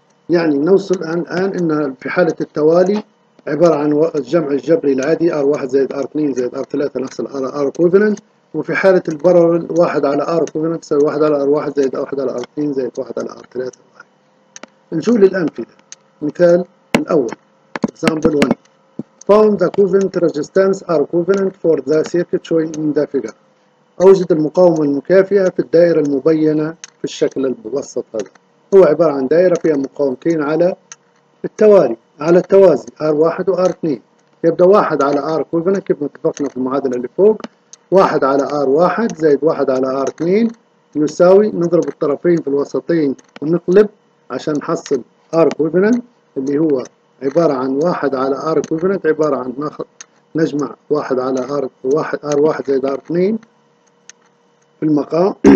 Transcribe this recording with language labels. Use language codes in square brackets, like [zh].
[ar] يعني نوصل الآن أن في حالة التوالي عبارة عن الجمع الجبري العادي R1 زائد R2 زائد R3 نفس الـ R equivalent، وفي حالة البرر 1 على R equivalent تساوي 1 على R1 زائد 1 على R2 زائد 1 على R3. نشوف الأمثلة. مثال الأول [en] example 1 found the equivalent resistance R equivalent for the circuit showing in the figure. [ar] أوجد المقاومة المكافية في الدائرة المبينة في الشكل المبسط هذا. هو عبارة عن دائرة فيها مقاومتين على التوالي على التوازي R1 و R2. يبدأ 1 على R equivalent كيف اتفقنا في المعادلة اللي فوق، 1 على R1 زائد 1 على R2 يساوي نضرب الطرفين في الوسطين ونقلب عشان نحصل R equivalent اللي هو عبارة عن 1 على R equivalent عبارة عن نجمع 1 على R1 R1 زائد R2 في المقام،